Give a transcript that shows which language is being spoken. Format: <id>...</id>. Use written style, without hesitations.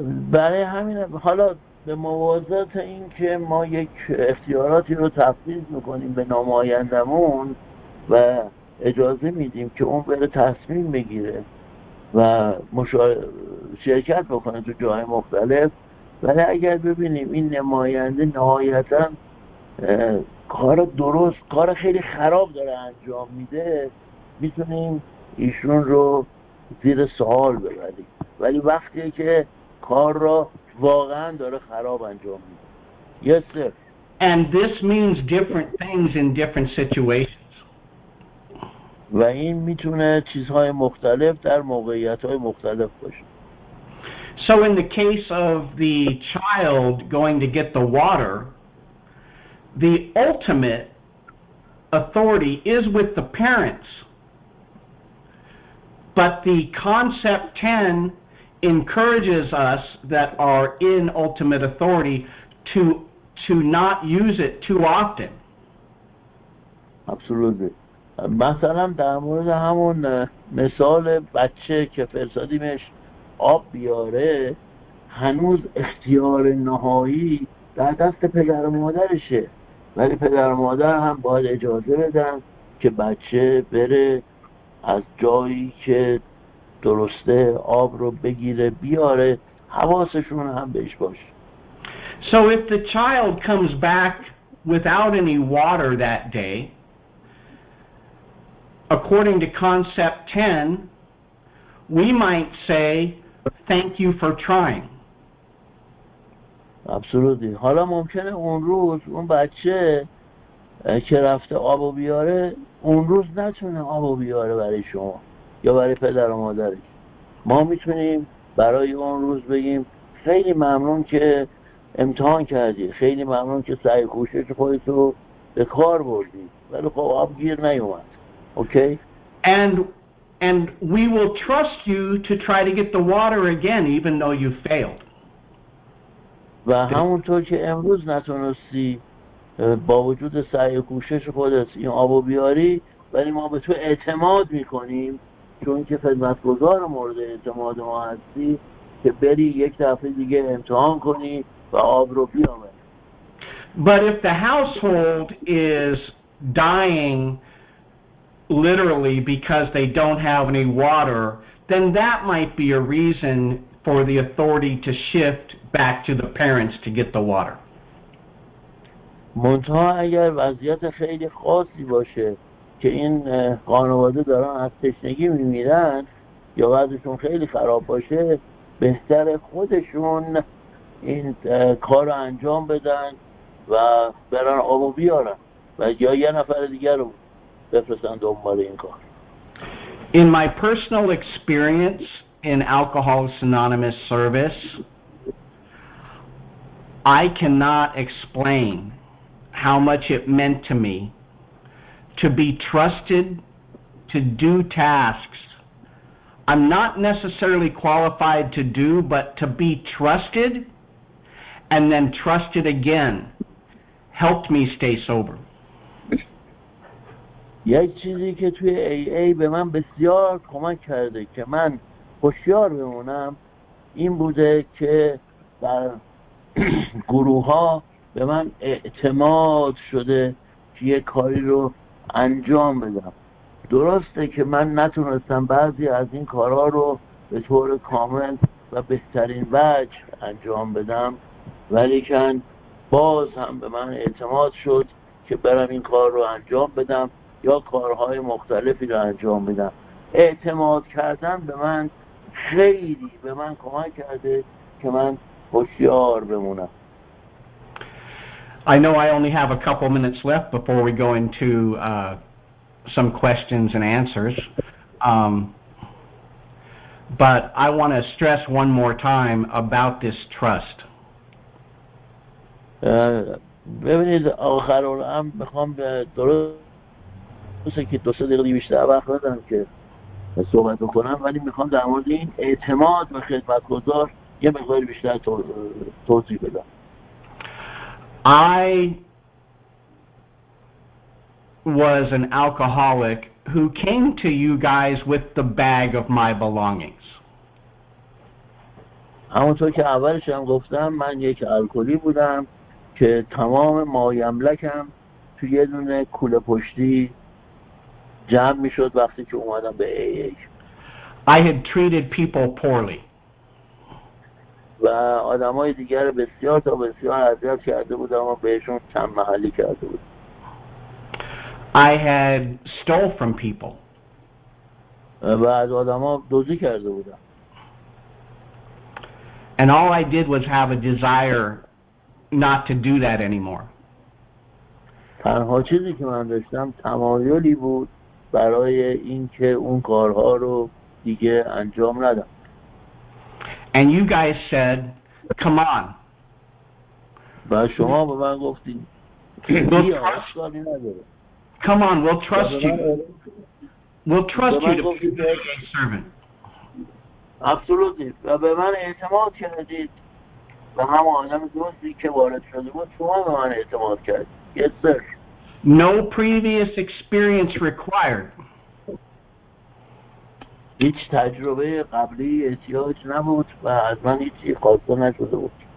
<fa>برای همین حالا به موازات این که ما یک اختیاراتی رو تفویض میکنیم به نمایندمون و اجازه میدیم که اون بره تصمیم بگیره و شرکت بکنه تو جای مختلف، ولی اگر ببینیم این نماینده نهایتا کار درست، کار خیلی خراب داره انجام میده، میتونیم ایشون رو زیر سوال ببریم. ولی وقتی که کار را واقعا داره خراب انجام میده.</fa> <en>Yes, sir. And this means different things in different situations.</en> <fa>و این میتونه چیزهای مختلف در موقعیت‌های مختلف باشه.</fa> <en>So in the case of the child going to get the water, the ultimate authority is with the parents. But the concept 10 encourages us that are in ultimate authority to not use it too often. Absolutely.</en> <fa>مثلا در مورد همون مثال بچه که فرزادی مش آب بیاره، هنوز اختیار نهایی در دست پدر و مادرشه، ولی پدر و مادر هم باید اجازه بدن که بچه بره از جایی که درسته آب رو بگیره بیاره، حواسشون هم بهش باشه.</fa> <en>So if the child comes back without any water that day, according to concept 10, we might say thank you for trying. Absolutely.</en> <fa>حالا ممکنه اون روز اون بچه که رفته آب رو بیاره اون روز نتونه آب رو بیاره برای شما یا برای پدر و مادرش، ما میتونیم برای اون روز بگیم خیلی ممنون که امتحان کردی، خیلی ممنون که سعی کوشش خودتو به کار بردی، ولی خب آب گیر نیومد. اوکی.</fa> <en>And we will trust you to try to get the water again even though you failed.</en> <fa>و همونطور که امروز نتونستی با وجود سعی کوشش خودت این آبو بیاری، ولی ما به تو اعتماد میکنیم چون که خدمتگزار مورد اعتماد ما هستی که بری یک دفعه دیگه امتحان کنی و آب رو بیاوری.</fa> <en>But if the household is dying literally because they don't have any water, then that might be a reason for the authority to shift back to the parents to get the water.</en> <fa>منتها اگر وضعیت خیلی خاصی باشه که این خانواده دارن از تشنگی میمیرن یا وضعشون خیلی خراب باشه، بهتر خودشون این کار رو انجام بدن و برن آبو بیارن و یا یه نفر دیگر رو بفرستن دنبال این کار.</fa> <en>In my personal experience in Alcoholics Anonymous service, I cannot explain how much it meant to me to be trusted to do tasks I'm not necessarily qualified to do, but to be trusted and then trusted again helped me stay sober.</en> <fa>یک چیزی که توی AA به من بسیار کمک کرده که من هوشیار بمونم این بوده که در گروه ها به من اعتماد شده که یک کاری رو انجام بدم. درسته که من نتونستم بعضی از این کارها رو به طور کامل و بهترین وجه انجام بدم، ولیکن باز هم به من اعتماد شد که برم این کار رو انجام بدم یا کارهای مختلفی رو انجام بدم. اعتماد کردن به من خیلی به من کمک کرده که من هوشیار بمونم.</fa> <en>I know I only have a couple minutes left before we go into some questions and answers, but I want to stress one more time about this trust.</en> <fa>ببینید آخر اولم میخوام به درست که دو سه دقیقه بیشتر وقت ندارم که صحبت کنم، ولی میخوام در مورد این اعتماد به خدمتگزار یه مقدار بیشتر توضیح بدم.</fa> <en>I was an alcoholic who came to you guys with the bag of my belongings.</en> <fa>همونطور که اولش هم گفتم من یک الکلی بودم که تمام مایملکم تو یه دونه کوله پشتی جمع میشد وقتی که اومدم به AA.</fa> <en>I had treated people poorly.</en> <fa>و آدمای دیگر بسیار تا بسیار اذیت کرده بودم و بهشون چند محلی کرده بودم.</fa> <en>I had stole from people.</en> <fa>و از آدما دزدی کرده بودم.</fa> <en>And all I did was have a desire not to do that anymore.</en> <fa>تنها چیزی که من داشتم تمایلی بود برای اینکه اون کارها رو دیگه انجام ندم.</fa> <en>And you guys said, come on.</en> <fa>و شما به من گفتید بیا.</fa> <en>Come on, we'll trust you. We'll trust you to be a good servant. Absolutely.</en> <fa>و به من اعتماد کردید. و همه آدم دوستی که وارد شده بود شما به من اعتماد کردید.</fa> <en>Yes, sir. No previous experience required.</en> <fa>هیچ تجربه قبلی احتیاج نبود و از من هیچی خواسته نشده بود.</fa>